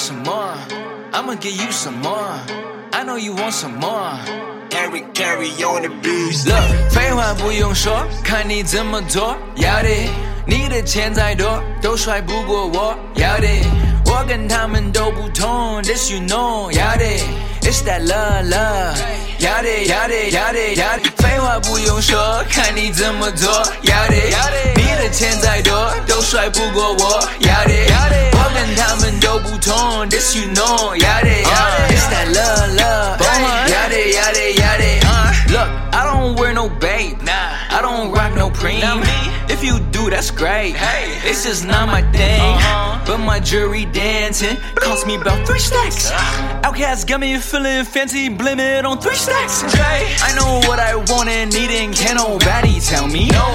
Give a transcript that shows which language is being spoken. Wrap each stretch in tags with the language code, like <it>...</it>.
<en>I'ma give you some more. I know you want some more. Carry, carry on the beast.</en> <zh>Look, 废话不用说，看你怎么做。要的，你的钱再多，都甩不过我。要的，我跟他们都不同。</zh> <en>This you know.</en> <zh>要的 ，</zh> <en>It's that love, love.</en> <zh>要的，要的，要的，要的。废话不用说，看你怎么做。要的，要的。钱再多都甩不过我</zh> <en>Yad it, Yad it,</en> <zh>我跟他们都不同</zh> <en>This you know Yad it, Yad it, It's that love, love Yad it, Yad it, Yad it, Look, I don't wear no bait nah, I don't rock no cream If you do, that's great hey, It's just not my thing But my jewelry dancing Cost me about 3 stacks Outcast got me feeling fancy Blame it on 3 stacks I know what I want and need And can nobody tell me</en>